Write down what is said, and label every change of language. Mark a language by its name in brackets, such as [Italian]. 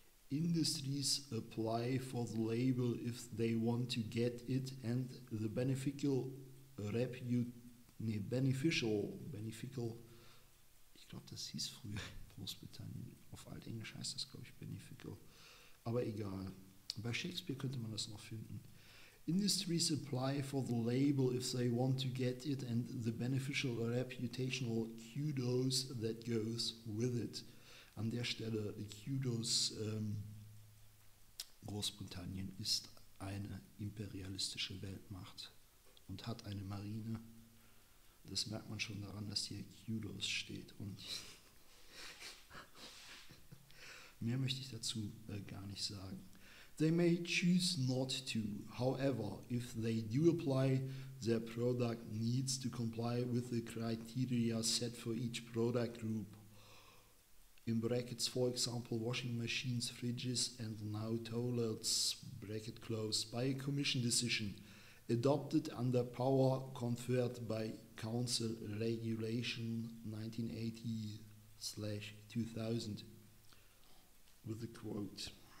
[English] Industries apply for the label if they want to get it, and the beneficial, [German] ich glaube, das hieß früher Großbritannien, auf Altenglisch heißt das, glaube ich, beneficial, aber egal. Bei Shakespeare könnte man das noch finden. [English] Industries apply for the label if they want to get it and the beneficial reputational kudos that goes with it. [German] An der Stelle kudos, Großbritannien ist eine imperialistische Weltmacht und hat eine Marine. Das merkt man schon daran, dass hier kudos steht. Und mehr möchte ich dazu gar nicht sagen. [English] They may choose not to. However, if they do apply, their product needs to comply with the criteria set for each product group. In brackets, for example, washing machines, fridges, and now toilets, bracket closed, by a commission decision adopted under power conferred by Council Regulation 1980/2000. With a quote.